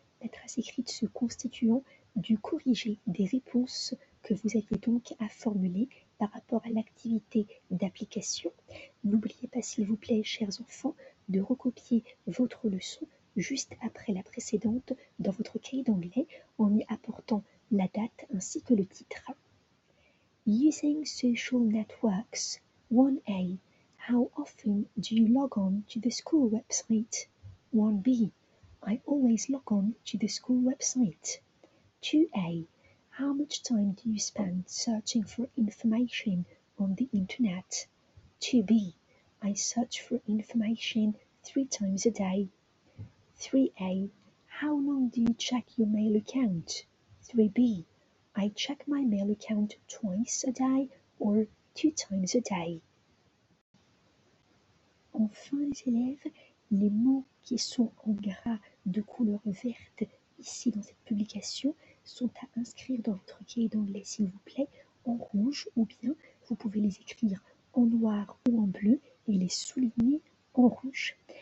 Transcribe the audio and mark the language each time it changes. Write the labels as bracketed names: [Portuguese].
[French] La trace écrite se constituant du corrigé des réponses que vous aviez donc à formuler par rapport à l'activité d'application. N'oubliez pas, s'il vous plaît, chers enfants, de recopier votre leçon juste après la précédente dans votre cahier d'anglais en y apportant la date ainsi que le titre. [English] Using social networks, 1A. How often do you log on to the school website? 1B. I always log on to the school website. 2A. How much time do you spend searching for information on the internet? 2B. I search for information 3 times a day. 3A. How long do you check your mail account? 3B. I check my mail account 2 times a day or 2 times a day. [French] Enfin, les élèves, les mots qui sont en gras de couleur verte ici dans cette publication sont à inscrire dans votre cahier d'anglais, s'il vous plaît, en rouge ou bien vous pouvez les écrire en noir ou en bleu et les souligner en rouge.